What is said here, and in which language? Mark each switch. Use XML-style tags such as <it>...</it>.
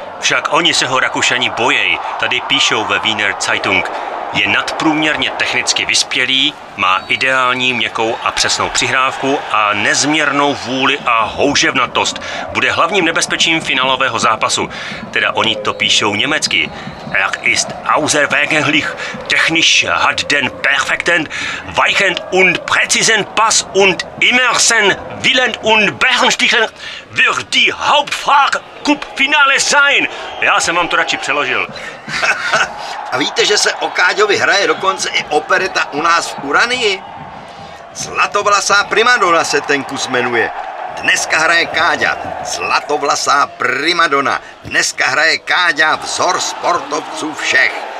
<cs>Však oni se ho Rakušani bojej, tady píšou ve Wiener Zeitung. Je nadprůměrně technicky vyspělý, má ideální měkkou a přesnou přihrávku a nezměrnou vůli a houževnatost. Bude hlavním nebezpečím finálového zápasu. Teda oni to píšou německy.</cs> <de>Er ist außergewöhnlich technisch, hat den perfekten weichen und präzisen Pass und immer sein Willen und Beherrschen wird die Hauptfrage Cup Finale sein.</de> <cs>Já jsem vám to radši přeložil. A víte, že se o Káďovi hraje dokonce i opereta u nás v Uranii? Zlatovlasá primadona se ten kus jmenuje. Dneska hraje Káďa, zlatovlasá primadona. Dneska hraje Káďa, vzor sportovců všech.</cs>